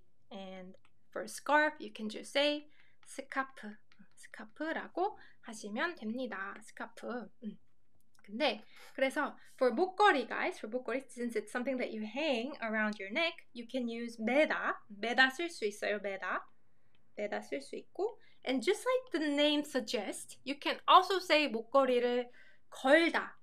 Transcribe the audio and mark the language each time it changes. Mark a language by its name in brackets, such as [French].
[English] And for scarf, you can just say 스카프. [Korean] 스카프라고 하시면 됩니다. 스카프. 근데 그래서 [English] for 목걸이, guys, for 목걸이, since it's something that you hang around your neck, you can use 메다. [Korean] 메다 쓸 수 있어요. 메다. 메다 쓸 수 있고, [English] and just like the name suggests, you can also say [Korean] 목걸이를 걸다.